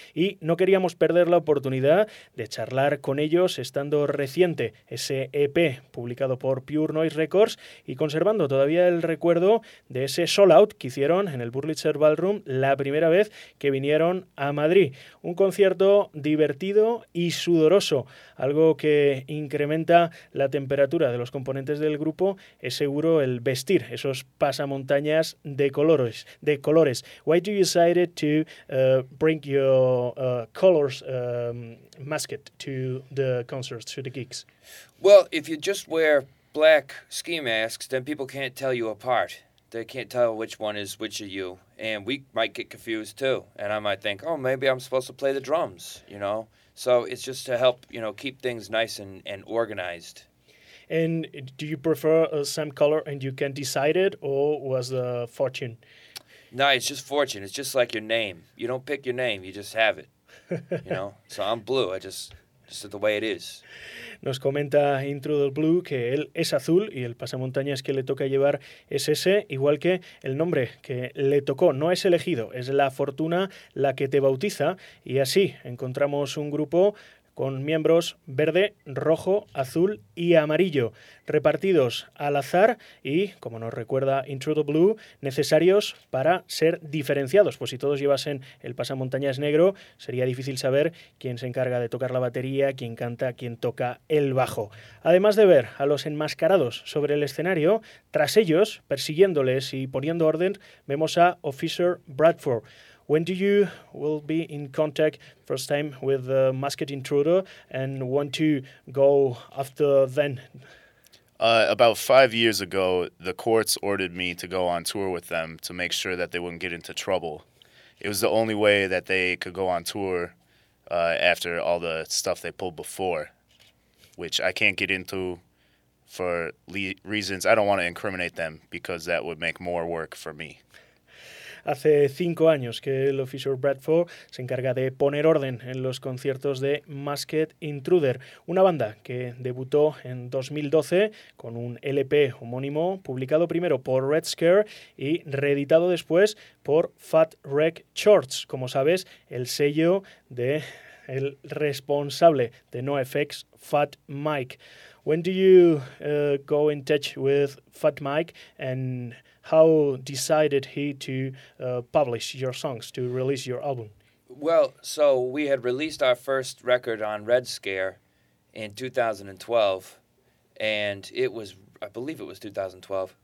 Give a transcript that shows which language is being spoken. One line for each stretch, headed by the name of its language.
Spanish: Y no queríamos perder la oportunidad de charlar con ellos, estando reciente ese EP publicado por Pure Noise Records y conservando todavía el recuerdo de ese sold out que hicieron en el Burlitzer Ballroom la primera vez que vinieron a Madrid. Un concierto divertido y sudoroso, algo que incrementa la temperatura de los componentes del grupo, es seguro el vestir esos pasamontañas de colores.
English: Why do you decide to bring your colors masked to the concerts, to the gigs? Well, if you just wear black ski masks, then people can't tell you apart. They can't tell which one is which of you, and we might get confused too. And I might think, oh, maybe I'm supposed to play the drums, you know? So it's just to help, you know, keep things nice and organized. And do you prefer some color and you can decide it, or was the fortune? No, it's just fortune. It's just like your name. You don't pick your name, you just have it, you know? So I'm blue, I just the way it is.
Spanish: Nos comenta Intruder Blue que él es azul y el pasamontañas que le toca llevar es ese, igual que el nombre que le tocó. No es elegido, es la fortuna la que te bautiza, y así encontramos un grupo con miembros verde, rojo, azul y amarillo, repartidos al azar y, como nos recuerda Intruder Blue, necesarios para ser diferenciados. Pues si todos llevasen el pasamontañas negro, sería difícil saber quién se encarga de tocar la batería, quién canta, quién toca el bajo. Además de ver a los enmascarados sobre el escenario, tras ellos, persiguiéndoles y poniendo orden, vemos a Officer Bradford.
English: When do you will be in contact first time with the masked intruder and want to go after then? About 5 years ago, the courts ordered me to go on tour with them to make sure that they wouldn't get into trouble. It was the only way that they could go on tour after all the stuff they pulled before, which I can't get into for reasons. I don't want to incriminate them because that would make more work for me.
Spanish: Hace 5 años que el Officer Bradford se encarga de poner orden en los conciertos de Masked Intruder, una banda que debutó en 2012 con un LP homónimo publicado primero por Red Scare y reeditado después por Fat Wreck Chords, como sabes, el sello del responsable de NoFX, Fat Mike.
English: When do you go in touch with Fat Mike and how decided he to publish your songs, to release your album? Well, so we had released our first record on Red Scare in 2012, and it was, I believe it was 2012.